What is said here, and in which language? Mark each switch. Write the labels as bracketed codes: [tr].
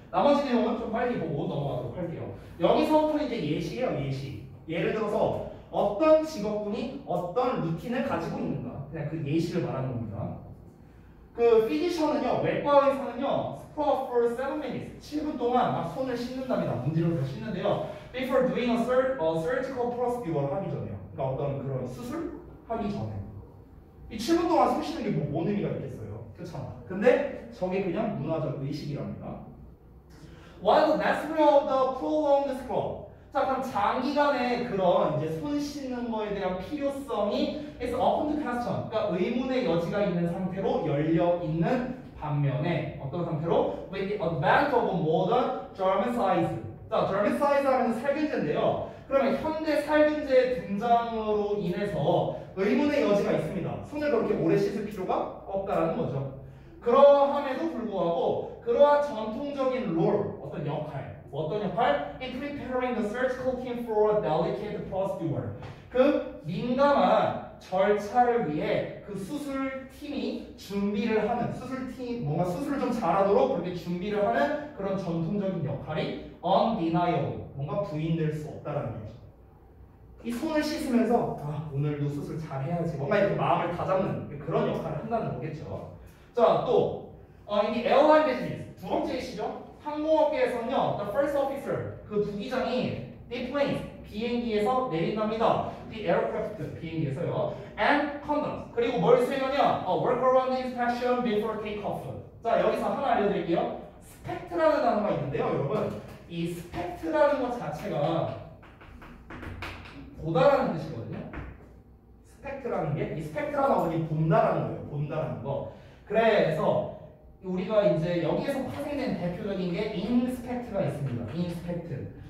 [ko] 나머지 내용은 좀 빨리 보고 넘어가도록 할게요. 여기서부터 이제 예시예요. 예시. 예를 들어서 어떤 직업군이 어떤 루틴을 가지고 있는가. 그냥 그 예시를 말하는 겁니다. [en] 그 피지션은요. 외과에서는요. Scrub for 7 minutes. [ko] 7분 동안 막 손을 씻는답니다. 문지르면서 씻는데요. [en] Before doing a surgical procedure 하기 전에요. [ko] 어떤 그런 수술 하기 전에 이 7분 동안 손 씻는 게 뭔 의미가 있겠어요? 그렇잖아. 근데 저게 그냥 문화적 의식이랍니다. [en] Why the necessity of the prolonged scrub? [ko] 자, 그럼 장기간의 그런 이제 손 씻는 거에 대한 필요성이 is open to question. 그러니까 의문의 여지가 있는 상태로 열려 있는 반면에 어떤 상태로 with the advent of modern germicides. 자, germicides라는 살균제인데요. 그러면 현대 살균제의 등장으로 인해서 의문의 여지가 있습니다. 손을 그렇게 오래 씻을 필요가 없다라는 거죠. 그러함에도 불구하고 그러한 전통적인 롤, 어떤 역할, 어떤 역할? [en] In preparing the surgical team for a delicate procedure. [ko] 그 민감한 절차를 위해 그 수술팀이 준비를 하는, 수술팀, 뭔가 수술을 좀 잘하도록 그렇게 준비를 하는 그런 전통적인 역할이 undeniable. 뭔가 부인될 수 없다라는 거죠. 이 손을 씻으면서 아 오늘도 수술 잘 해야지 뭔가 이렇게 마음을 다잡는 그런 역할을 한다는 거겠죠. 자, 또 이게 에어라인 비즈니스 두 번째 이시죠. 항공업계에서는요, the first officer 그 부기장이 the plane 비행기에서 내린답니다. [en] the aircraft 비행기에서요. [ko] and conduct 그리고 뭘 수행하냐? [en] a workaround inspection before takeoff. [ko] 자, 여기서 하나 알려드릴게요. 스펙트라는 단어가 있는데요, 여러분. 이 스펙트라는 것 자체가 보다라는 뜻이거든요. 스펙트라는 게 이 스펙트라는 어디 본다라는 거예요. 본다라는 거. 그래서 우리가 이제 여기에서 파생된 대표적인 게 인스펙트가 있습니다. 인스펙트.